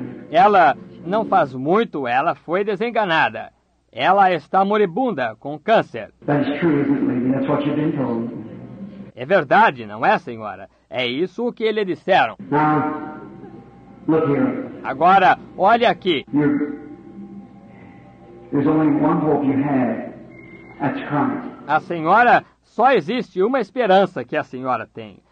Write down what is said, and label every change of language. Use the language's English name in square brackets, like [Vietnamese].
[Portuguese] Ela não faz muito, ela foi desenganada. Ela está moribunda com câncer. [English] That is true, isn't it, lady? That's what you've been told. [Portuguese] É verdade, não é, senhora? É isso o que lhe disseram. [English] Now, look here. [Portuguese] Agora, olhe aqui. [English] There's only one hope you have. That's Christ. [Portuguese] A senhora... Só existe uma esperança que a senhora tem.